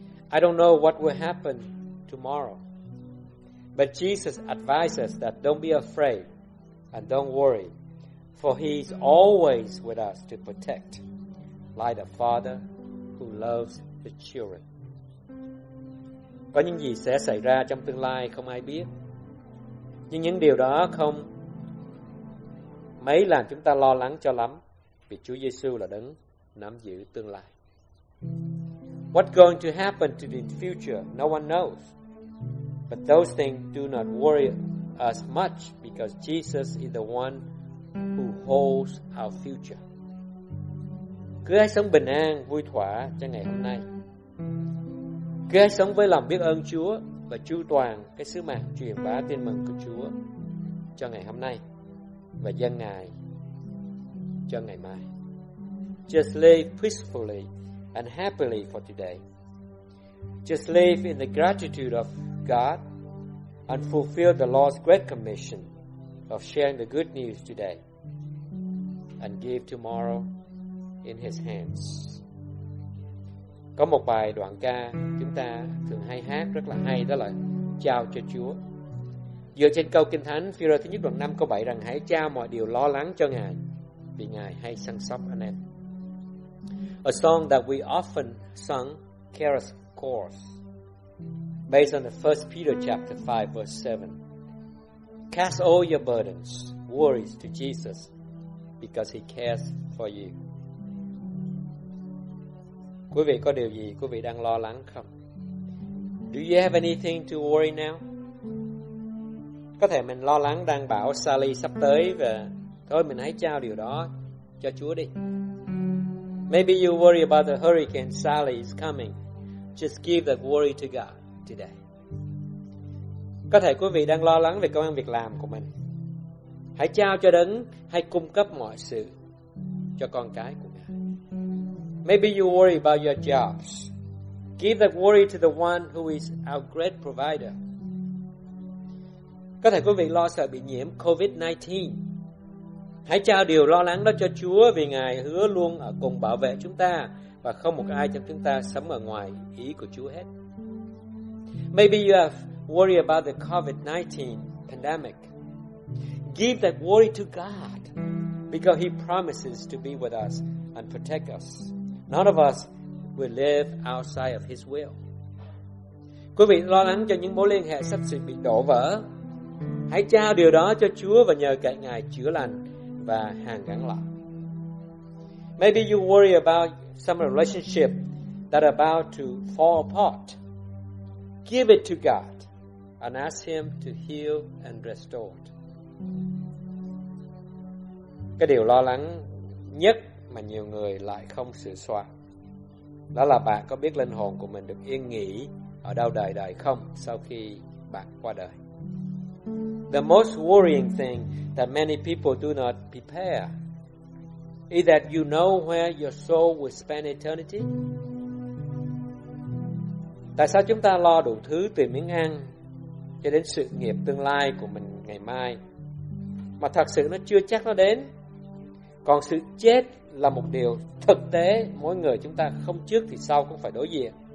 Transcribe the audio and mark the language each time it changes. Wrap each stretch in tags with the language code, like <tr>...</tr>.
<en>I don't know what will happen tomorrow, but Jesus advises us that don't be afraid and don't worry, for He is always with us to protect, like the Father who loves the children.</en> <vi>Có những gì sẽ xảy ra trong tương lai không ai biết, nhưng những điều đó không mấy làm chúng ta lo lắng cho lắm, vì Chúa Giêsu là đấng nắm giữ tương lai.</vi> <en>What's going to happen to the future? No one knows. But those things do not worry us much, because Jesus is the one who holds our future.</en> <vi>Cứ hãy sống bình an, vui thỏa cho ngày hôm nay. Cứ hãy sống với lòng biết ơn Chúa và chu toàn cái sứ mạng truyền bá tin mừng của Chúa cho ngày hôm nay và dân Ngài cho ngày mai.</vi> <en>Just live peacefully and happily for today. Just live in the gratitude of God and fulfill the Lord's great commission of sharing the good news today, and give tomorrow in His hands.</en> <vi>Có một bài đoạn ca chúng ta thường hay hát rất là hay, đó là Chào cho Chúa. Dựa trên câu Kinh Thánh Phi-rơ thứ nhất đoạn 5 câu 7 rằng hãy trao mọi điều lo lắng cho Ngài, vì Ngài hay săn sóc anh em.</vi> <en>A song that we often sung, Charis Chorus, based on the 1 Peter chapter 5 verse 7. Cast all your burdens, worries to Jesus, because He cares for you.</en> <vi>Quý vị có điều gì quý vị đang lo lắng không?</vi> <en>Do you have anything to worry now?</en> <vi>Có thể mình lo lắng đang bảo Sally sắp tới và thôi mình hãy trao điều đó cho Chúa đi.</vi> <en>Maybe you worry about the hurricane Sally is coming. Just give that worry to God today.</en> <vi>Có thể quý vị đang lo lắng về công ăn việc làm của mình. Hãy trao cho đấng hay cung cấp mọi sự cho con cái của Ngài.</vi> <en>Maybe you worry about your jobs. Give that worry to the one who is our great provider.</en> <vi>Có thể quý vị lo sợ bị nhiễm COVID-19. Hãy trao điều lo lắng đó cho Chúa vì Ngài hứa luôn ở cùng bảo vệ chúng ta và không một ai trong chúng ta sống ở ngoài ý của Chúa hết.</vi> <en>Maybe you have worry about the COVID-19 pandemic. Give that worry to God because He promises to be with us and protect us. None of us will live outside of His will.</en> <vi>Quý vị lo lắng cho những mối liên hệ sắp sửa bị đổ vỡ. Hãy trao điều đó cho Chúa và nhờ cậy Ngài chữa lành và hàn gắn lại.</vi> <en>Maybe you worry about some relationship that about to fall apart. Give it to God and ask Him to heal and restore it.</en> <vi>Cái điều lo lắng nhất mà nhiều người lại không sửa soạn đó là bạn có biết linh hồn của mình được yên nghỉ ở đâu đời đời không sau khi bạn qua đời.</vi> <en>The most worrying thing that many people do not prepare is that you know where your soul will spend eternity.</en> <vi>Tại sao chúng ta lo đủ thứ từ miếng ăn cho đến sự nghiệp tương lai của mình ngày mai mà thật sự nó chưa chắc nó đến? Còn sự chết là một điều thực tế mỗi người chúng ta không trước thì sau cũng phải đối diện.</vi>